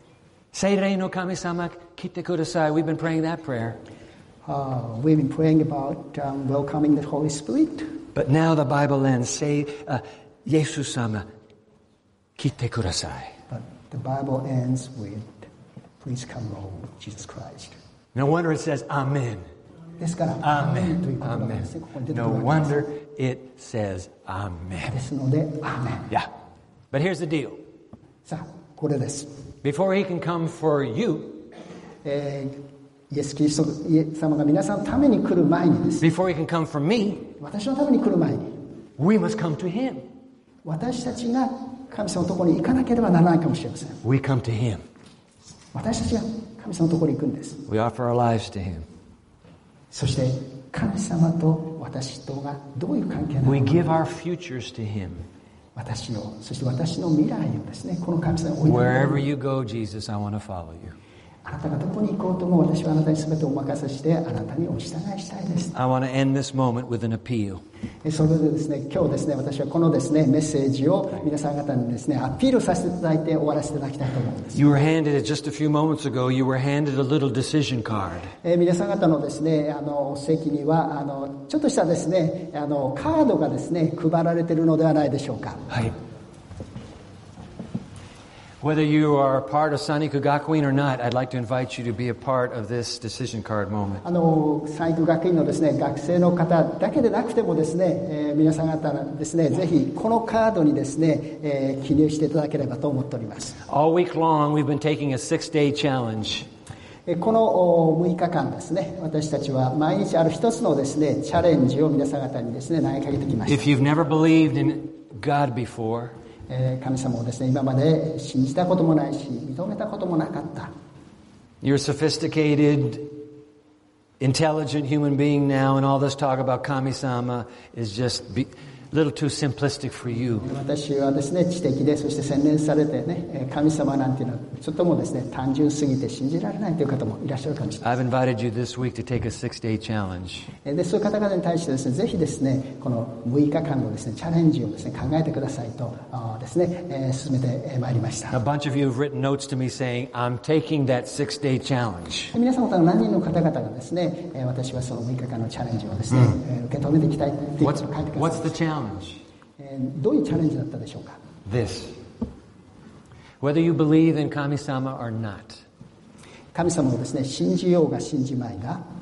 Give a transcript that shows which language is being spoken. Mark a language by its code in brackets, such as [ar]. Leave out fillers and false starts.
[ja] それがですね、聖書の終わり方です。聖霊の神様来てください。 [en] We've been praying that prayer. We've been praying about welcoming the Holy Spirit. But now the Bible ends. [ja] イエス様来てください。 [en] But the Bible ends with, please come, Lord Jesus Christ. No wonder it says, Amen. Amen. Amen. No wonder it says Amen. [ja] ですので、Amen. [en] Yeah. But here's the deal. [ja] さあ、これです。 [en] Before he can come for you, [ja] イエス・キリスト様が皆さんのために来る前にです。 [en] Before he can come for me, [ja] 私のために来る前に、 [en] we must come to him. [ja] 私たちが神様のところに行かなければならないかもしれません。 [en] We come to him. [ja] 私たちが神様のところに行くんです。 [en] We offer our lives to him. [ja] そして神様と私とがどういう関係なのか。 [en] We give our futures to him. [ja] 私のそして私の未来をですね、この神様に置いて。 [en] Wherever you go, Jesus, I want to follow you. [ja] あなたがどこに行こうとも私はあなたにすべてお任せしてあなたにお従いしたいです。 [en] I want to end this moment with an appeal. [ja] それでですね、今日ですね、私はこのですね、メッセージを皆さん方にですね、アピールさせていただいて終わらせていただきたいと思います。 [en] You were handed it just a few moments ago. You were handed a little decision card. [ja] 皆さん方のですね、席にはちょっとしたですね、カードがですね、配られているのではないでしょうか。はい。 [en] Whether you are a part of Saiku Gakuin or not, I'd like to invite you to be a part of this decision card moment. [ja] Saiku Gakuin のですね、学生の方だけでなくてもですね、皆さん方ですね、ぜひこのカードにですね、記入していただければと思っております。 [en] All week long, we've been taking a six-day challenge. [ja] この6日間ですね、私たちは毎日ある一つのですね、チャレンジを皆さん方にですね、投げかけてきました。 [en] If you've never believed in God before, [ja] 神様をですね、今まで信じたこともないし、認めたこともなかった。 [en] You're a sophisticated, intelligent human being now, and all this talk about Kami-sama is just a little too simplistic for you. [ja] 私はですね、知的で、そして洗練されてね、神様なんていうのは、ちょっともですね、単純すぎて信じられないという方もいらっしゃるかもしれません。 [en] I've invited you this week to take a six-day challenge. [ja] で、そういう方々に対してですね、ぜひですね、この6日間のですね、チャレンジをですね、考えてくださいと。ですね、進めてまいりました。 [en] A bunch of you have written notes to me saying, I'm taking that six-day challenge. [ja] 皆さん方の何人の方々がですね、私はその6日間のチャレンジをですね、受け止めていきたいと書いてください。 [en] What's the challenge? [ja] どういうチャレンジだったでしょうか? [en] This. Whether you believe in Kami-sama or not. [ja] 神様をですね、信じようが信じまいが。